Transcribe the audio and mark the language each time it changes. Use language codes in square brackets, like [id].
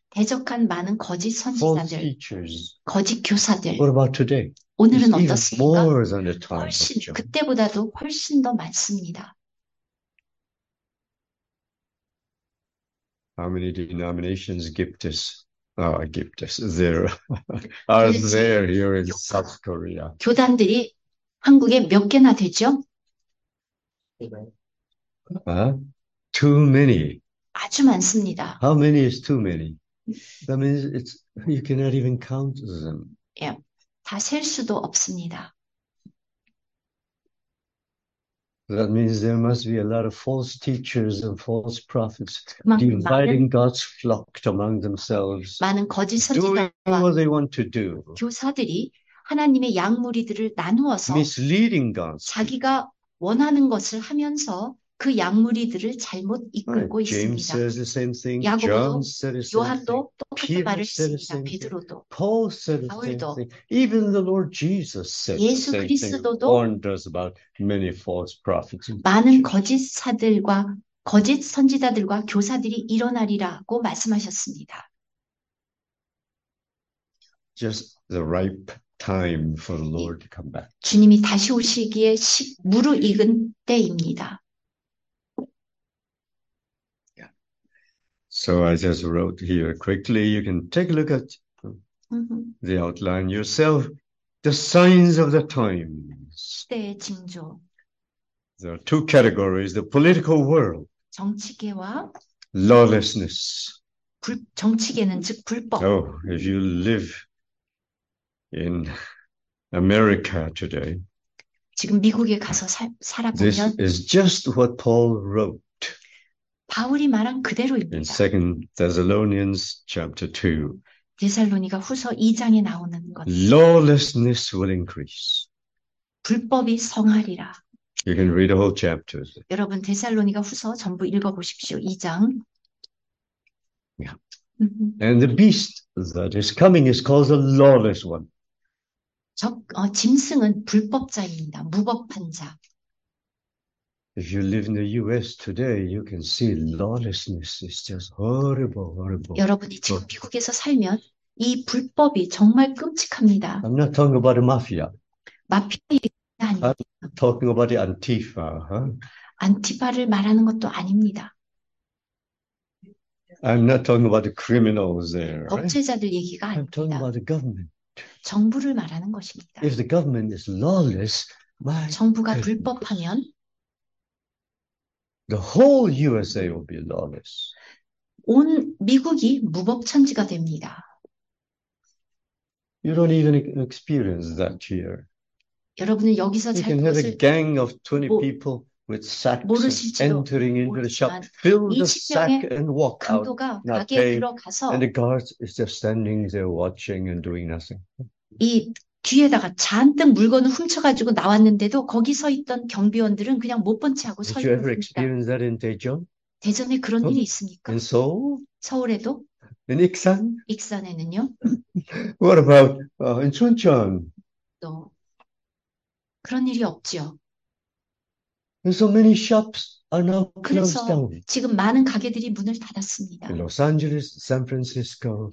[ko] 대적한 많은 거짓 선지자들, [en] false teachers. [ko] 거짓 교사들. [en] What about today? [ko] 오늘은 [en] It's even [ko] 어떻습니까? [en] more than the times of [ko] 훨씬, [en] John. [ko] 그때보다도 훨씬 더 많습니다. [en] How many denominations gift us? Oh, gift us. There are do지 there here in South Korea. [ko] 교단들이 한국에 몇 개나 되죠? [en] Too many. [ko] 아주 많습니다. [en] How many is too many? That means it's you cannot even count them. [ko] 예, 다셀 수도 없습니다. [en] That means there must be a lot of false teachers and false prophets [ko] 그만큼 [en] dividing God's flock among themselves, [ko] 많은 거짓 [en] doing [ko] 선지자와 [en] what they want to do, [ko] 교사들이 하나님의 양무리들을 나누어서 [en] misleading God's people. [ko] 자기가 원하는 것을 하면서 그 양무리들을 잘못 이끌고 [en] James [ko] 있습니다. [en] says the same thing. [ko] 야고보도, [en] John said the same thing. [ko] 요한도 똑같은 [en] Peter [ko] 말을 [en] said the [ko] 씁니다. [en] same thing. [ko] 베드로도, [en] Paul said the same [ko] 바울도, [en] thing. Even the Lord Jesus said the [ko] 예수 [en] same thing, [ko] 그리스도도 [en] warned us about many false prophets and [ko] 많은 [en] teachers. [ko] 거짓사들과 거짓 선지자들과 교사들이 일어나리라고 말씀하셨습니다. [en] Just the ripe time for the Lord to come back. [ko] 주님이 다시 오시기에 무르익은 때입니다. [en] So I just wrote here quickly. You can take a look at the outline yourself. The signs of the times. [ko] 때의 징조, [en] There are two categories: the political world, [ko] 정치계와 [en] lawlessness. [ko] 정치계는 즉 불법. [en] Oh, if you live in America today, [ko] 지금 미국에 가서 [en] this [ko] 살아보면 [en] is just what Paul wrote. [ko] 바울이 말한 [en] In [ko] 그대로입니다. [en] 2 Thessalonians chapter 2, [ko] 데살로니가 후서 2장에 나오는 것. [en] lawlessness will increase. [ko] 불법이 성하리라. [en] You can read the whole chapters. [ko] 여러분, 데살로니가 후서 전부 읽어보십시오. 2장. [en] And the beast that is coming is called the lawless one. [ko] 짐승은 불법자입니다. 무법한 자. [en] If you live in the US today, you can see lawlessness is just horrible, horrible. [ko] 여러분이 지금 미국에서 살면 이 불법이 정말 끔찍합니다. [en] I'm not talking about the mafia. [ko] 마피아 [en] I'm [ko] 얘기가 [en] talking about the Antifa, huh? [ko] 아닙니다. 안티파를 말하는 것도 아닙니다. [en] I'm not talking about the criminals there, right? [ko] 범죄자들 얘기가 [en] I'm talking [ko] 아닙니다. [en] about the government. [ko] 정부를 말하는 것입니다. [en] If the government is lawless, my [ko] 정부가 [en] goodness. [ko] 불법하면 [en] The whole USA will be lawless. [ko] 온 미국이 무법천지가 됩니다. [en] You don't even experience that here. [ko] 여러분은 여기서 [en] You [ko] 잘 [en] can have a [ko] 그것을 [en] gang of 20 people with sacks [ko] 모르실지도 [en] entering into the shop, [ko] 모르지만 [en] fill the sack [ko] 20명의 [en] and walk out, [ko] 강도가 [en] not [ko] 가게에 [en] pay, and [ko] 들어가서 [en] the guards is just standing there watching and doing nothing. [ko] 이 뒤에다가 잔뜩 물건을 훔쳐가지고 나왔는데도 거기 서 있던 경비원들은 그냥 못본채 하고 서 [en] Did you [ko] 있는 [en] ever [ko] 겁니다. [en] experience that in Daejeon? [ko] 대전에 그런 일이 있습니까? [en] In Seoul? [ko] 서울에도? [en] In Iksan? [ko] 익산에는요? [en] What about in Chuncheon? No. [ko] 그런 일이 없죠. [en] And so many shops are now closed [ko] 그래서 [en] down. [ko] 지금 많은 가게들이 문을 [en] In [ko] 닫았습니다. 로스 앤젤레스, 샌프란시스코,